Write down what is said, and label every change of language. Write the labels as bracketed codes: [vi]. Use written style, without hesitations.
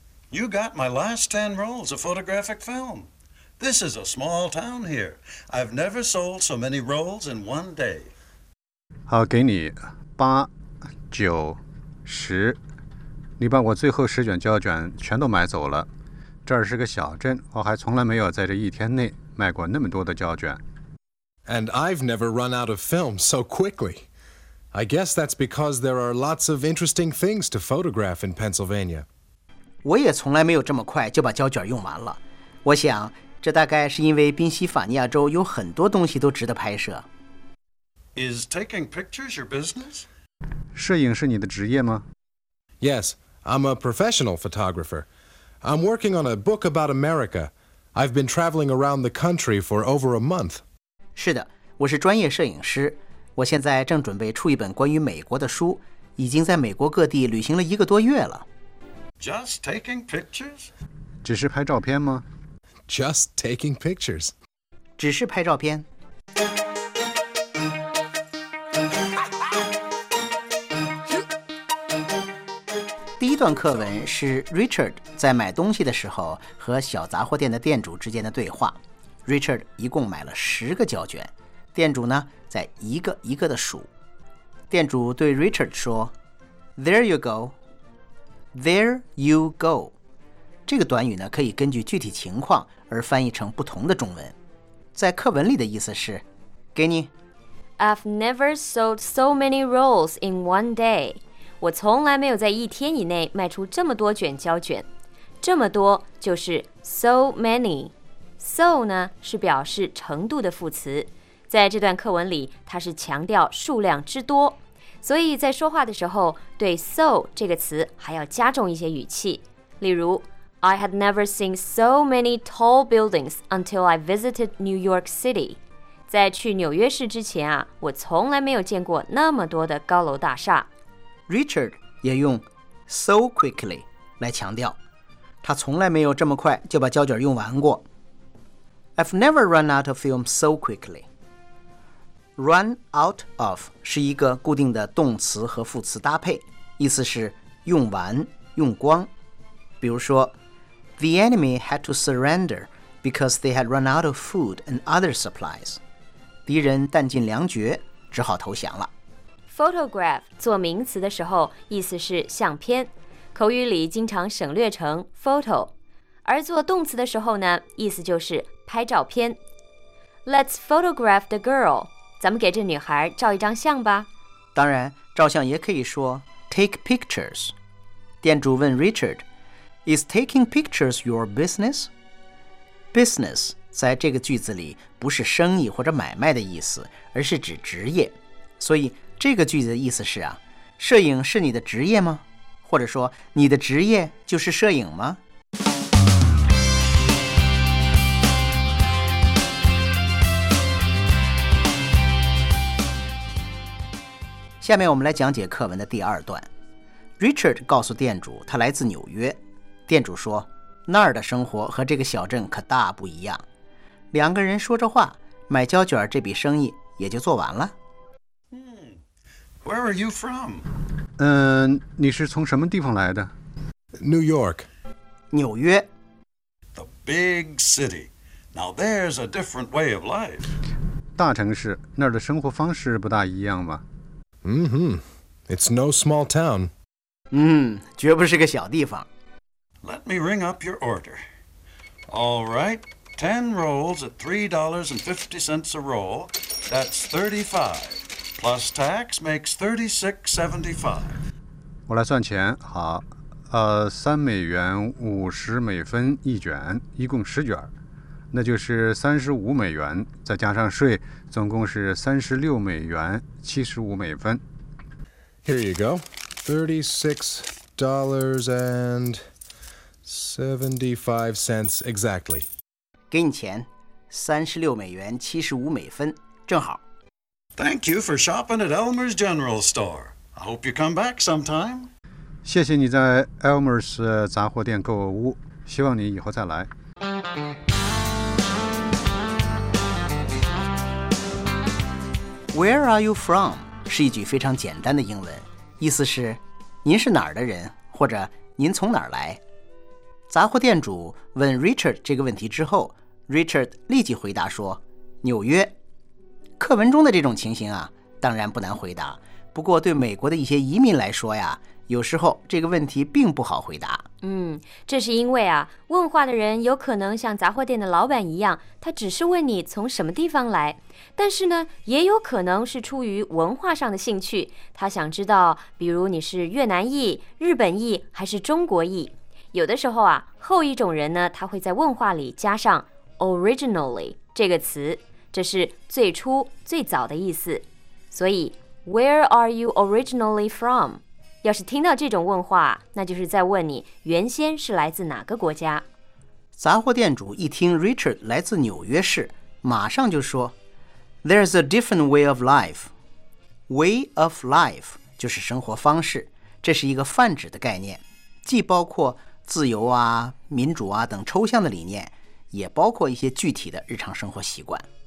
[en] You got my last 10 rolls of photographic film. This is a small town here. I've never sold so many rolls in one day. [zh] 好，给你8、9、10。你把我最后10卷胶卷全都买走了。这儿是个小镇，我还从来没有在这一天内卖过那么多的胶卷。 [en] And I've never run out of film so quickly. I guess that's because there are lots of interesting things to photograph in Pennsylvania. [zh] 我也从来没有这么快就把胶卷用完了。我想这大概是因为宾夕法尼亚州有很多东西都值得拍摄。 [en] Is taking pictures your business? [zh] 摄影是你的职业吗？ [en] Yes, I'm a professional photographer. I'm working on a book about America. I've been traveling around the country for over a month. [zh] 是的，我是专业摄影师，我现在正准备出一本关于美国的书，已经在美国各地旅行了一个多月了。 [en] Just taking pictures? [zh] 只是拍照片吗？ [en] Just taking pictures. [zh] 只是拍照片。第一段课文是 Richard 在买东西的时候和小杂货店的店主之间的对话。 Richard 一共买了10个胶卷，店主呢，在一个一个的数。店主对 Richard 说 , [en] There you go. There you go. [zh] 这个短语呢，可以根据具体情况而翻译成不同的中文。在课文里的意思是，给你。 [en] I've never sold so many rolls in one day. [zh] 我从来没有在一天以内卖出这么多卷胶卷。这么多就是 so many。So 呢是表示程度的副词，在这段课文里它是强调数量之多，所以在说话的时候对 so 这个词还要加重一些语气。例如 [en] I had never seen so many tall buildings until I visited New York City. [zh] 在去纽约市之前啊，我从来没有见过那么多的高楼大厦。 Richard 也用 so quickly 来强调他从来没有这么快就把胶卷用完过。 [en] I've never run out of film so quickly. [zh] Run out of 是一个固定的动词和副词搭配，意思是用完、用光。比如说 [en] ，The enemy had to surrender because they had run out of food and other supplies. [zh] 敌人弹尽粮绝，只好投降了。 Photograph 做名词的时候，意思是相片，口语里经常省略成 photo， 而做动词的时候呢，意思就是。拍照片 [en] Let's photograph the girl [zh] 咱们给这女孩照一张相吧当然照相也可以说 [en] Take pictures [zh] 店主问 Richard [en] Is taking pictures your business? [zh] Business 在这个句子里不是生意或者买卖的意思而是指职业所以这个句子的意思是啊，摄影是你的职业吗或者说你的职业就是摄影吗下面我们来讲解课文的第二段。 Richard 告诉店主他来自纽约。店主说那儿的生活和这个小镇可大不一样。两个人说着话买胶卷这笔生意也就做完了。 [en] Where are you from? [zh] 你是从什么地方来的？ [en] New York. [zh] 纽约。 [en] The big city. Now there's a different way of life. [zh] 大城市，那儿的生活方式不大一样吧？ [en] Mm-hmm. It's no small town. [zh] 绝不是个小地方。 [en] Let me ring up your order. All right. 10 rolls at $3.50 a roll. That's 35. Plus tax makes $36.75. [zh] 我来算钱，好，$3五十美分一卷，一共十卷，那就是$35，再加上税，总共是$36.75。 [en] Here you go, $36.75 exactly. [zh] 给你钱，$36.75，正好。 [en] Thank you for shopping at Elmer's General Store. I hope you come back sometime. [zh] 谢谢你在 Elmer's 杂货店购物，希望你以后再来。 [en] Where are you from? [zh] 是一句非常简单的英文，意思是您是哪儿的人，或者您从哪儿来。杂货店主问 Richard 这个问题之后， Richard 立即回答说，纽约。课文中的这种情形啊，当然不难回答，不过对美国的一些移民来说呀，有时候这个问题并不好回答。这是因为啊，问话的人有可能像杂货店的老板一样，他只是问你从什么地方来，但是呢，也有可能是出于文化上的兴趣，他想知道比如你是越南裔、日本裔还是中国裔。有的时候啊，后一种人呢，他会在问话里加上 originally 这个词，这是最初最早的意思。 [en] 所以 Where are you originally from? [zh] 要是听到这种问话，那就是在问你原先是来自哪个国家。杂货店主一听 Richard 来自纽约市，马上就说 [en] There's a different way of life. [zh] Way of life 就是生活方式，这是一个泛指的概念，既包括自由啊、民主啊等抽象的理念，也包括一些具体的日常生活习惯。